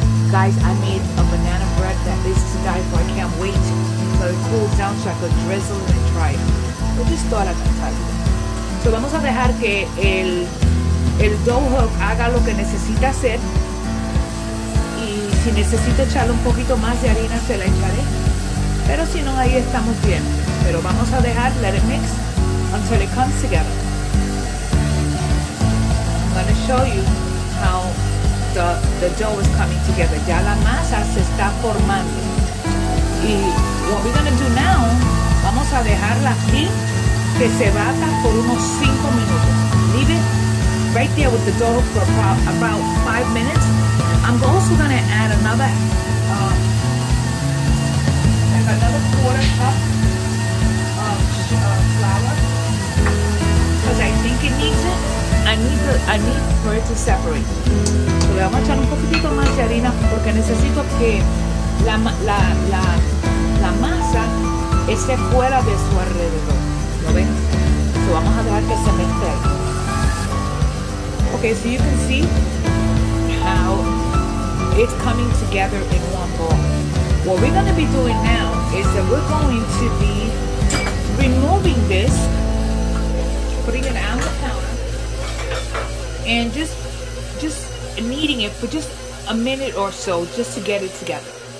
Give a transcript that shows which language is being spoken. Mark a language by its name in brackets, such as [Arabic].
[English] Guys, I made a banana bread that is to die for. I can't wait until it cools down so I could drizzle it and try it. I just thought I'd tell you. [Spanish] So vamos a dejar que el dough hook haga lo que necesita hacer. Y si necesito echarle un poquito más de harina, se la echaré. Pero si no, ahí estamos bien. Pero vamos a dejar, [English] let it mix until it comes together. I'm gonna show you how the dough is coming together. [Spanish] Ya la masa se está formando. Y [English] what we're gonna do now, [Spanish] vamos a dejarla aquí, que se bata por unos 5 minutos. [English] Leave it right there with the dough for about 5 minutes. I'm also gonna add another 1/4 cup of flour, because I think it needs it. I need for it to separate. [Spanish] So le vamos a echar un poquitito más de harina porque necesito que la masa esté fuera de su alrededor. ¿Lo ven? So vamos a dejar que se mezcle. [English] Okay, so you can see how it's coming together in one bowl. What we're going to be doing now is that we're going to be removing this, putting it on the counter, and just kneading it for just a minute or so, just to get it together.